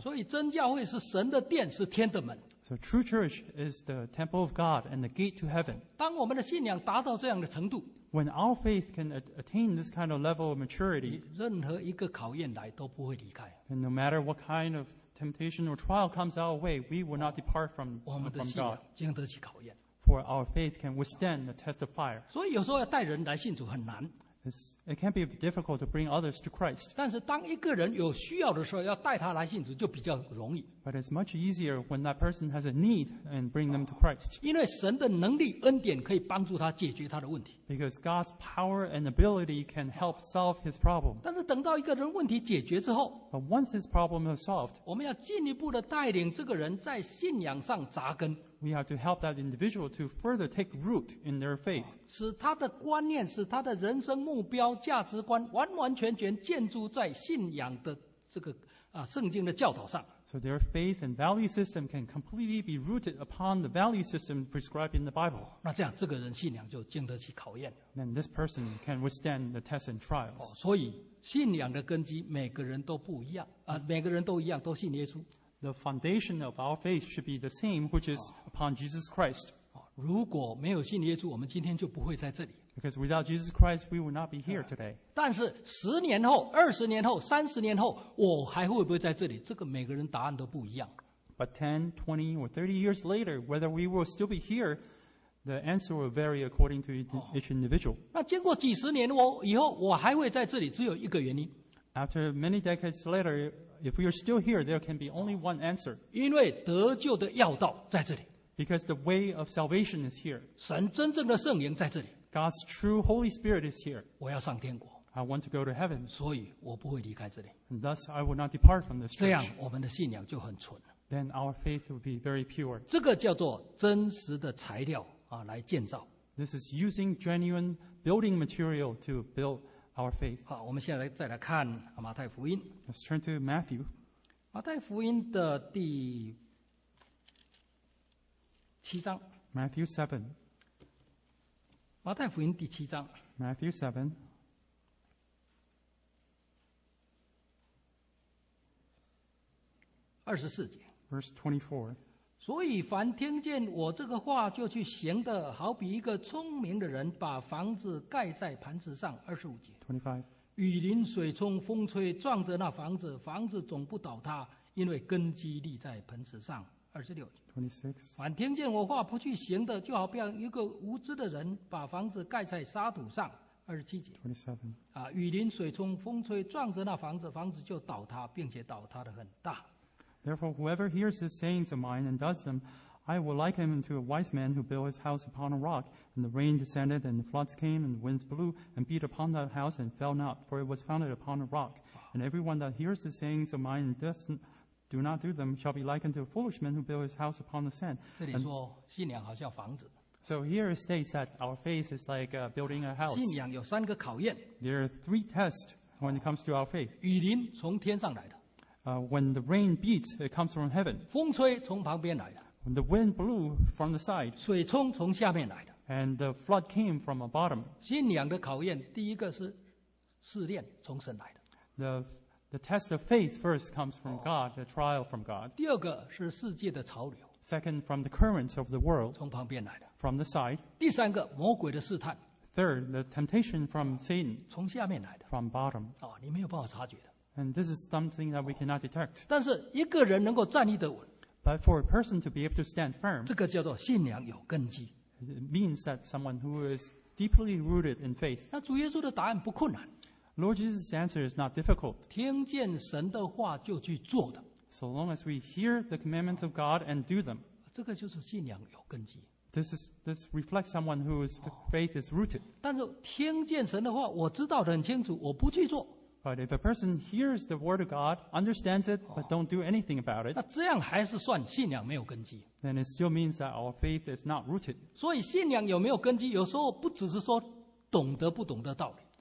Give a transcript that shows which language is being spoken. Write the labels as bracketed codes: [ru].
[zh] 所以真教会是神的殿，是天的门。 [en] So true church is the temple of God and the gate to heaven. [zh] 当我们的信仰达到这样的程度。 [en] When our faith can attain this kind of level of maturity, [zh] 任何一个考验来都不会离开。 [en] And no matter what kind of temptation or trial comes our way, we will not depart from God. [zh] 我们的信仰经得起考验。 [en] For our faith can withstand the test of fire. [zh] 所以有时候要带人来信主很难。 [en] It can be difficult to bring others to Christ. [zh] 但是当一个人有需要的时候，要带他来信主就比较容易。 [en] But it's much easier when that person has a need and bring them to Christ. [zh] 因为神的能力恩典可以帮助他解决他的问题。 [en] Because God's power and ability can help solve his problem. [zh] 但是等到一个人问题解决之后 [en] ，But once his problem is solved, [zh] 我们要进一步的带领这个人在信仰上扎根。 [en] We have to help that individual to further take root in their faith. [zh] 使他的观念，使他的人生目标、价值观完完全全建筑在信仰的这个圣经的教导上。 [en] So their faith and value system can completely be rooted upon the value system prescribed in the Bible. [zh] 那这样，这个人信仰就经得起考验。 [en] Then this person can withstand the tests and trials. [zh] 所以信仰的根基每个人都不一样啊，每个人都一样，都信耶稣。 [en] The foundation of our faith should be the same, which is upon Jesus Christ. [zh] 如果没有信耶稣，我们今天就不会在这里。 [en] Because without Jesus Christ, we would not be here today. [zh] 但是十年后、二十年后、三十年后，我还会不会在这里？这个每个人答案都不一样。 [en] But 10, 20, or 30 years later, whether we will still be here, the answer will vary according to each individual. [zh] 那经过几十年我以后，我还会在这里，只有一个原因。 [en] After many decades later, if we are still here, there can be only one answer. [zh] 因为得救的要道在这里。 [en] Because the way of salvation is here. [zh] 神真正的圣灵在这里。 [en] God's true Holy Spirit is here. [zh] 我要上天国。 [en] I want to go to heaven. [zh] 所以我不会离开这里。 [en] And thus, I will not depart from this church. [zh] 这样我们的信仰就很纯。 [en] Then our faith will be very pure. [zh] 这个叫做真实的材料来建造。 [en] This is using genuine building material to build our faith. [zh] 好，我们现在再来看马太福音。 [en] Let's turn to Matthew. [zh] 马太福音的第七章。 [en] Matthew 7. [zh] 马太福音第七章 [en] Matthew 7 [zh] 24节 [en] Verse 24 [zh] 所以凡听见我这个话就去行的好比一个聪明的人把房子盖在磐石上25节 25 雨淋水冲风吹撞着那房子，房子总不倒塌，因为根基立在磐石上。26。凡听见我话不去行的，就好比一个无知的人把房子盖在沙土上。 27。雨淋水冲风吹撞着那房子，房子就倒塌，并且倒塌得很大。 [en] Therefore, whoever hears his sayings of mine and does them, I will liken him to a wise man who built his house upon a rock, and the rain descended, and the floods came, and the winds blew, and beat upon that house, and fell not, for it was founded upon a rock. And everyone that hears the sayings of mine and do not do them shall be likened to a foolish man who built his house upon the sand. [zh] 这里说，信仰好像房子。 [en] So here it states that our faith is like building a house. [zh] 信仰有三个考验。 [en] There are three tests when it comes to our faith. [zh] 雨淋从天上来的。 [en] When the rain beats, it comes from heaven. [zh] 风吹从旁边来的。 [en] When the wind blew from the side. [zh] 水冲从下面来的。 [en] And the flood came from the bottom. [zh] 信仰的考验，第一个是试炼从神来的。 [en] The test of faith first comes from God, the trial from God. [zh] 第二个是世界的潮流。 [en] Second, from the currents of the world. [zh] 从旁边来的。 [en] From the side. [zh] 第三个，魔鬼的试探。 [en] Third, the temptation from Satan. [zh] 从下面来的。 [en] From bottom. [zh] 你没有办法察觉的。 [en] And this is something that we cannot detect. [zh] 但是一个人能够站立得稳。 [en] But for a person to be able to stand firm. [zh] 这个叫做信仰有根基。 [en] It means that someone who is deeply rooted in faith. [zh] 那主耶稣的答案不困难。 [en] Lord Jesus' answer is not difficult. [zh] 听见神的话就去做的。 [en] So long as we hear the commandments of God and do them. [zh] 这个就是信仰有根基。 [en] This reflects someone whose faith is rooted. [zh] 但是听见神的话，我知道得很清楚，我不去做。 [en] But if a person hears the word of God, understands it, but don't do anything about it, [zh] 那这样还是算信仰没有根基。 [en] Then it still means that our faith is not rooted. [zh] 所以信仰有没有根基，有时候不只是说懂得不懂得道理。